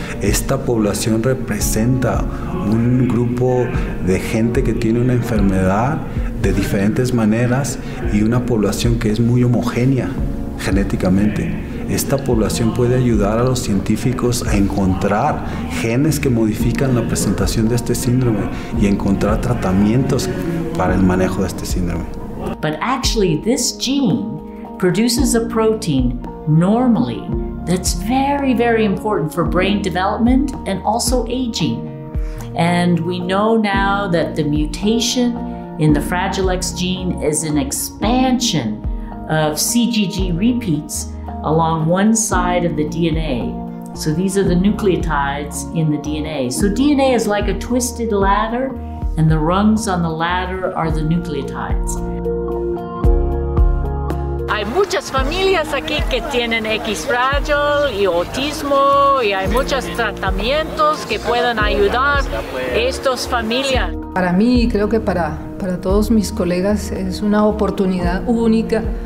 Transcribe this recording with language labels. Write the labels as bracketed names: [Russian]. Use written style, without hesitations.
[Spanish] Esta población representa un grupo de gente que tiene una enfermedad de diferentes maneras, y una población que es muy homogénea genéticamente. Esta población puede ayudar a los científicos a encontrar genes que modifican la presentación de este síndrome y encontrar tratamientos para el manejo de este síndrome. [English] But actually, this gene produces a protein normally that's very, very important for brain development and also aging. And we know now that the mutation in the Fragile X gene is an expansion of CGG repeats along one side of the DNA. So these are the nucleotides in the DNA. So DNA is like a twisted ladder, and the rungs on the ladder are the nucleotides. [Spanish] Hay muchas familias aquí que tienen X fragile y autismo, y hay muchos tratamientos que pueden ayudar estas familias. Para mí, creo que para todos mis colegas, es una oportunidad única.